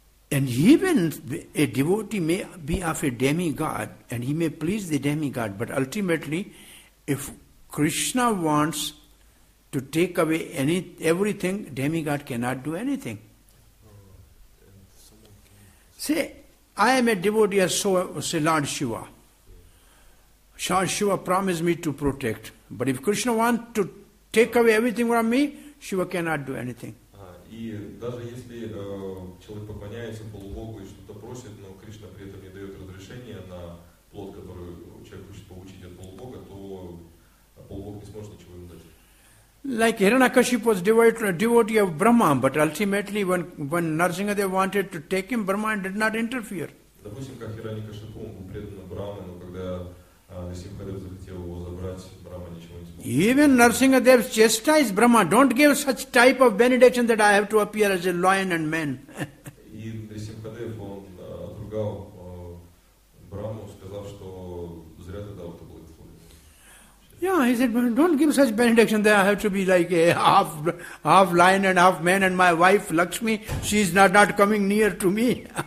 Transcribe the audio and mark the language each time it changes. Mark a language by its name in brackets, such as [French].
[English] And even a devotee may be of a demigod, and he may please the demigod, but ultimately, if Krishna wants to take away everything, demigod cannot do anything. Say, I am a devotee as so, say Lord Shiva. Lord Shiva promised me to protect. But if Krishna wants to take away everything from me, Shiva cannot do anything. [Russian] И даже если человек поклоняется полубогу и что-то просит, но Кришна при этом не дает разрешения на плод, который человек хочет получить от полубога, то полубог не сможет ничего ему дать. [English] Like Hiranyakashipu was devotee of Brahma, but ultimately when Narasingadeva wanted to take him, Brahma did not interfere. [Russian] Допустим, как Hiranyakashipu, он был предан Брахме, но когда Нарасингхадев захотел его забрать, Брахма ничего не смог. [English] Even Narasingadev chastised Brahma, don't give such type of benediction that I have to appear as a lion and man. [Russian] И Нарасингхадев, он отругал Брахму, сказав, что зря тогда это было. [English] Yeah, he said, well, don't give such benediction that I have to be like a half lion and half man, and my wife Lakshmi, she is not coming near to me.